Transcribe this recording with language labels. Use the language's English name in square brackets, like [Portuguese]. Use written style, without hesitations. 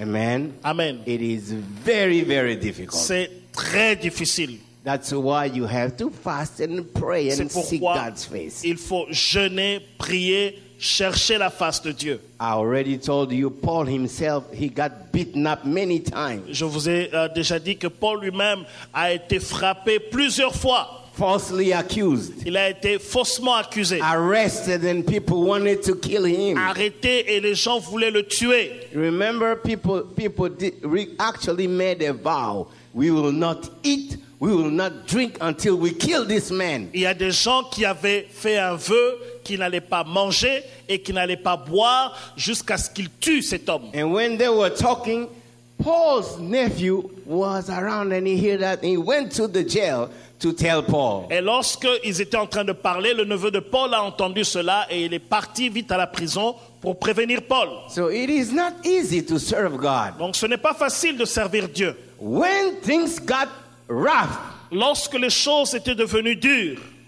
[English] Amen. [French] Amen. [English] It is very, very difficult. [French] C'est très difficile. [English] That's why you have to fast and pray and seek God's face. [French] Il faut jeûner, prier chercher la face de Dieu. [English] I already told you, Paul himself, he got beaten up many times. [French] Je vous ai déjà dit que Paul lui-même a été frappé plusieurs fois. [English] Falsely accused. [French] Il a été faussement accusé. [English] Arrested and people wanted to kill him. [French] Arrêté et les gens voulaient le tuer. [English] Remember, people actually made a vow. We will not eat, we will not drink until we kill this man. [French] Il y a des gens qui avaient fait un vœu qu'ils n'allaient pas manger et qu'ils n'allaient pas boire jusqu'à ce qu'ils tuent cet homme. [English] And when they were talking, Paul's nephew was around and he heard that he went to the jail to tell Paul. [French] Et lorsque ils étaient en train de parler, le neveu de Paul a entendu cela et il est parti vite à la prison pour prévenir Paul. [English] So it is not easy to serve God. [French] Donc ce n'est pas facile de servir Dieu. [English] When things got rough, [French] lorsque les choses étaient devenues dures,